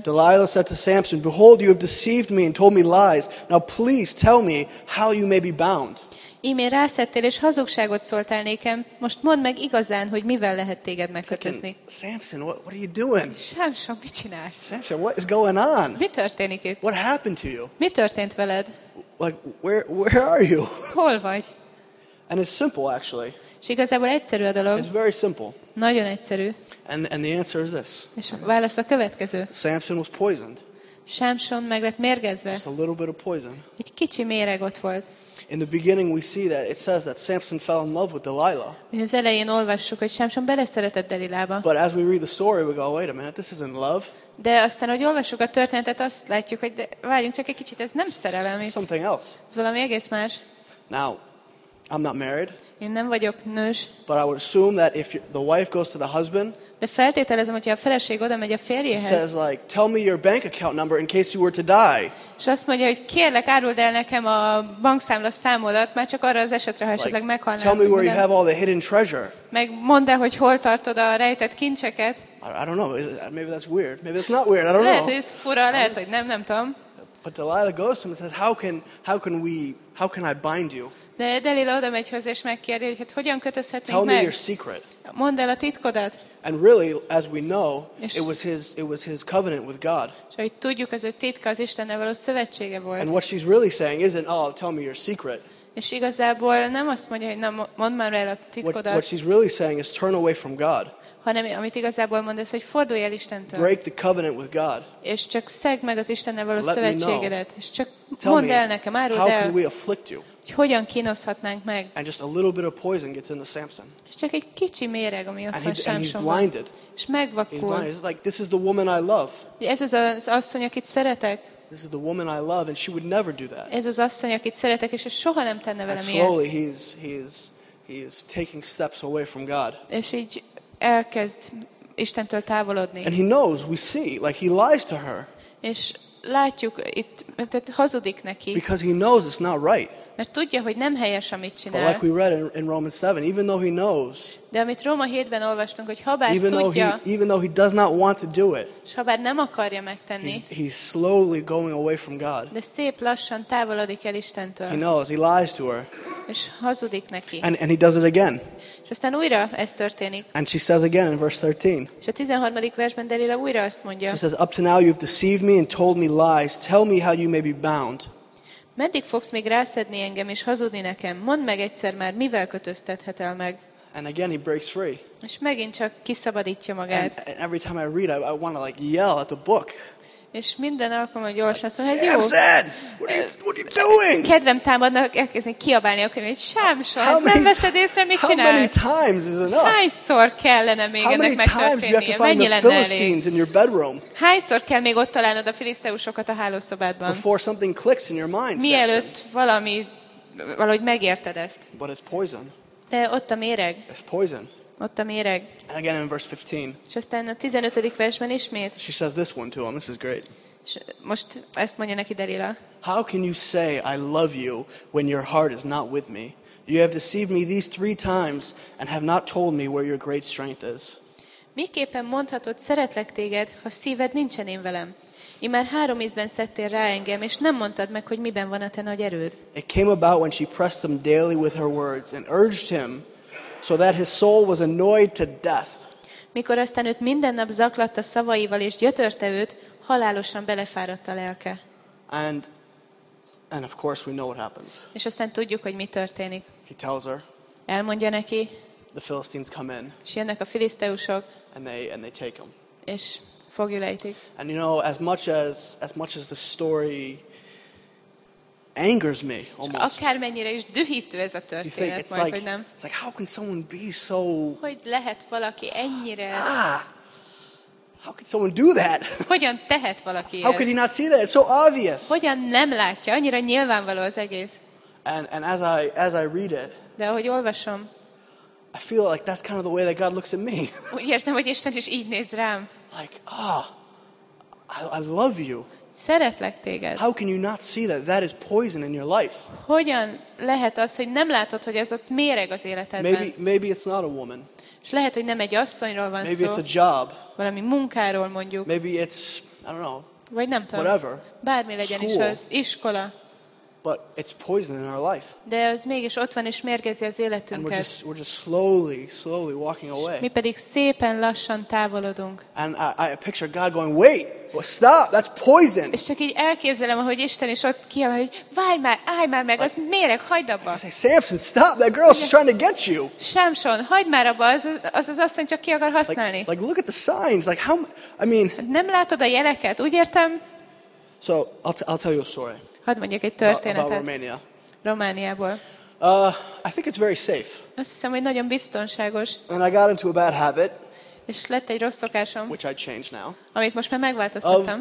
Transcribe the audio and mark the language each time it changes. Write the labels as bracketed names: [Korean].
[English] Delilah said to Samson, behold, you have deceived me and told me lies. Now please tell me how you may be bound. [Hungarian] Íme rászedtél és hazugságot szóltál nékem. Most mondd meg igazán, hogy mivel lehet téged megkötözni. [English] Samson, what are you doing? [Hungarian] Samson, mit csinálsz? [English] Samson, what is going on? [Hungarian] Mi történik itt? [English] What happened to you? [Hungarian] Mi történt veled? [English] Like, where are you? [Hungarian] Hol vagy? [English] And it's simple, actually. [Hungarian] És igazából egyszerű a dolog. [English] It's very simple. [Hungarian] Nagyon egyszerű. [English] And the answer is this. [Hungarian] És a válasz a következő. [English] Samson was poisoned. [Hungarian] Samson meg lett mérgezve. [English] Just a little bit of poison. [Hungarian] Egy kicsi méreg ott volt. [English] In the beginning we see that it says that Samson fell in love with Delilah. [Hungarian] Mi az elején olvassuk, hogy Samson beleszeretett Delilába. [English] But as we read the story we go, wait a minute, this isn't love. [Hungarian] De aztán, ahogy olvassuk a történetet, azt látjuk, hogy várjunk csak egy kicsit, ez nem szerelem. [English] Something else. [Hungarian] Ez valami egész más. [English] Now, I'm not married. [Hungarian] Én nem vagyok nős. [English] But I would assume that if the wife goes to the husband. [Hungarian] De feltételezem, hogy a feleség oda megy a férjéhez. [English] Says like, tell me your bank account number in case you were to die. [Hungarian] És azt mondja, hogy kérlek, áruld el nekem a bankszámla számodat, már csak arra az esetre, ha esetleg [English] like, [Hungarian] meghalnál. [English] Tell me where you have all the hidden treasure. [Hungarian] Meg mondd el, hogy hol tartod a rejtett kincseket. [English] I don't know. Maybe that's weird. Maybe it's not weird. I don't know. [Hungarian] Ez fura, lehet, hogy nem tudom. [English] But Delilah goes to him and says, how can I bind you? [Hungarian] De Delilah oda megy hozzá és megkérdezi, hogy hát hogyan kötözhetnénk [English] tell Tell me your secret. [Hungarian] Mondd el a titkodat. [English] And really, as we know, it was his covenant with God. [Hungarian] És hogy tudjuk, ez a titka az Istennel való szövetsége volt. [English] And what she's really saying isn't, oh, tell me your secret. [Hungarian] És igazából nem azt mondja, hogy na, mondd már el a titkodat. [English] What she's really saying is turn away from God. [Hungarian] Hanem amit igazából mond, ez, hogy fordulj el Istentől. [English] Break the covenant with God. [Hungarian] És csak szegd meg az Istennel való szövetségedet. És csak mondd el nekem, áruld [English] how [Hungarian] el. [English] How can we afflict you? [Hungarian] Hogy hogyan kínoszhatnánk meg? [English] And just a little bit of poison gets into Samson. [Hungarian] És csak egy kicsi méreg, ami ott van Samsonban. [English] And he's blinded. [Hungarian] És megvakul. [English] He's like, this is the woman I love. [Hungarian] Ez az az asszony, akit szeretek. [English] This is the woman I love, and she would never do that. [Hungarian] Ez az asszony, akit szeretek, és soha nem tenne velem ilyet. [English] And slowly he is taking steps away from God. [Hungarian] És így elkezd Istentől távolodni. [English] And he knows, we see, like he lies to her. [Hungarian] És látjuk itt, tehát hazudik neki. [English] Because he knows it's not right. [Hungarian] Mert tudja, hogy nem helyes, amit csinál. [English] But like we read in Romans 7, even though he knows. [Hungarian] De amit Róma 7-ben olvastunk, hogy habár [English] even [Hungarian] tudja. [English] Even though he does not want to do it. [Hungarian] És habár nem akarja megtenni. [English] He's slowly going away from God. [Hungarian] De szép lassan távolodik el Istentől. [English] He knows, he lies to her. [Hungarian] És hazudik neki. [English] And he does it again. [Hungarian] És aztán újra ez történik. [English] And she says again in verse 13. [Hungarian] És a 13. versben Delilah újra azt mondja. [English] She says, up to now you've deceived me and told me lies. Tell me how you may be bound. [Hungarian] Meddig fogsz még rászedni engem és hazudni nekem? Mondd meg egyszer már, mivel kötöztethet el meg? [English] And again he breaks free. [Hungarian] És megint csak kiszabadítja magát. [English] And every time I read, I want to like yell at the book. [Hungarian] És minden alkalommal gyorsan szól, hogy jó. [English] Samson, what are you doing? [Hungarian] Kedvem támadna, elkezdeni kiabálni a könyvét. Samson, nem veszed észre, mit csinálsz? [English] How many times is enough? [Hungarian] Hányszor kellene még ennek megtörténnie? Mennyi lenne elég? Philistines [English] in your bedroom? [Hungarian] Hányszor kell még ott találnod a filiszteusokat a hálószobádban? [English] Before something clicks in your mind, Samson. [Hungarian] Mielőtt valami, valahogy megérted ezt. [English] But it's poison. [Hungarian] De ott a méreg. [English] It's poison. [Hungarian] Ott a méreg. [English] And again in verse 15. [Hungarian] És aztán a 15. versben ismét. [English] She says this one to him. This is great. [Hungarian] És most ezt mondja neki Delilah. [English] How can you say I love you when your heart is not with me? You have deceived me these three times and have not told me where your great strength is. [Hungarian] Miképpen mondhatod szeretlek téged, ha szíved nincsen én velem? Imár három ízben szedtél rá engem, és nem mondtad meg, hogy miben van a te nagy erőd. [English] It came about when she pressed him daily with her words and urged him so that his soul was annoyed to death. [Hungarian] Mikor aztán őt minden nap zaklatta szavaival és gyötörte őt, halálosan belefáradt a lelke. [English] And of course we know what happens. [Hungarian] És aztán tudjuk, hogy mi történik. [English] He tells her. [Hungarian] Elmondja neki. [English] The Philistines come in. [Hungarian] És jönnek a filiszteusok. [English] And they take him. [Hungarian] És foglyul ejtik. [English] And you know, as much as the story angers me almost. [Hungarian] Akármennyire is dühítő ez a történet, [English] think, it's [Hungarian] majd, [English] like, [Hungarian] hogy nem. [English] It's like, how can someone be so? [Hungarian] Hogy lehet valaki ennyire? [English] How can someone do that? [Hungarian] Hogyan tehet valaki? [English] How could he not see that? It's so obvious. [Hungarian] Hogyan nem látja? Annyira nyilvánvaló az egész. [English] And as I read it. [Hungarian] De ahogy olvasom. [English] I feel like that's kind of the way that God looks at me. [Hungarian] Úgy érzem, hogy Isten is így néz rám. [English] Like, ah, I love you. [Hungarian] Szeretlek téged. [English] How can you not see that? That is poison in your life. [Hungarian] Hogyan lehet az, hogy nem látod, hogy ez ott méreg az életedben? [English] Maybe it's not a woman. [Hungarian] És lehet, hogy nem egy asszonyról van [English] maybe [Hungarian] szó. [English] It's a job. [Hungarian] Valami munkáról mondjuk. [English] Maybe it's, I don't know. [Hungarian] Vagy nem tudom. [English] Whatever. [Hungarian] Bármi legyen [English] school. [Hungarian] Is az iskola. [English] But it's poison in our life. [Hungarian] De ez mégis ott van és mérgezi az életünket. [English] And we're just slowly walking away. [Hungarian] Mi pedig szépen lassan távolodunk. [English] And I picture God going, wait, well, stop, that's poison. [Hungarian] És csak így elképzelem, ahogy Isten is ott kiabál, hogy várj már, állj már meg, like, az méreg, hagyd abba. [English] I say, Samson, stop, that girl's yeah. trying to get you. [Hungarian] Samson, hagyd már abba, az asszony csak ki akar használni. [English] Like, look at the signs, like how, I mean. [Hungarian] Nem látod a jeleket, úgy értem. [English] So I'll tell you a story. [Hungarian] Hadd mondjak egy történetet. [English] About Romania. [Hungarian] Romániából. [English] I think it's very safe. [Hungarian] Azt hiszem, hogy nagyon biztonságos. [English] And I got into a bad habit. [Hungarian] És lett egy rossz szokásom. [English] Which I changed now. [Hungarian] Amit most már megváltoztattam.